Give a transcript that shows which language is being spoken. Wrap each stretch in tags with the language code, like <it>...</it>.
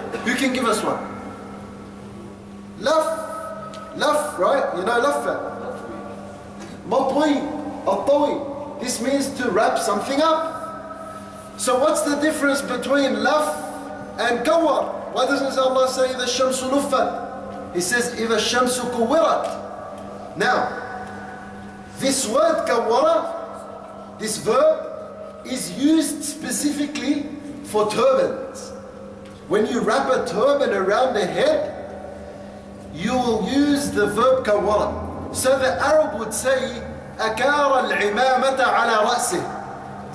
<en>Who can give us one? Laf. Laf, right? You know laf. Matwi. Atawi. This means to wrap something up. So what's the difference between laf and kawar? Why doesn't Allah say</en> <ar>إِذَا الشَّمْسُ نُفَّتْ?</ar> <en>He says</en> <ar>إِذَا الشَّمْسُ كُوِّرَتْ.</ar> <en>Now, this word kawara, this verb, is used specifically for turbans. When you wrap a turban around the head, you will use the verb kawara. So the Arab would say,</en> <ar>akara al-imamata ala ra'sih.</ar>